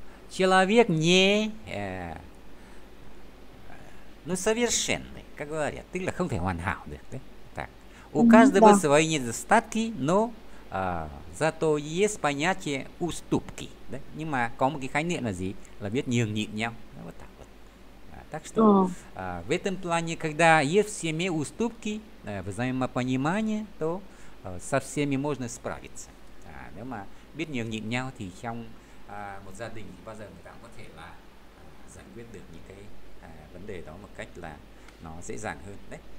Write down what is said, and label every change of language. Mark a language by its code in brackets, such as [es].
[ru] Человек не ну совершенный, как говорят, [vi] ты không thể hoàn hảo được, [ru] да? Так, у каждого Да. свои недостатки, но зато есть понятие уступки, да? [vi] Nhưng mà có một cái khái niệm là gì? Là biết nhường nhịn nhau, [ru] вот так вот. Так что в этом плане, когда есть в семье уступки, взаимопонимание, то со всеми можно справиться. [vi] Nếu mà biết nhường nhịn nhau thì trong một gia đình thì bao giờ người ta cũng có thể là giải quyết được những cái vấn đề đó một cách là nó dễ dàng hơn đấy.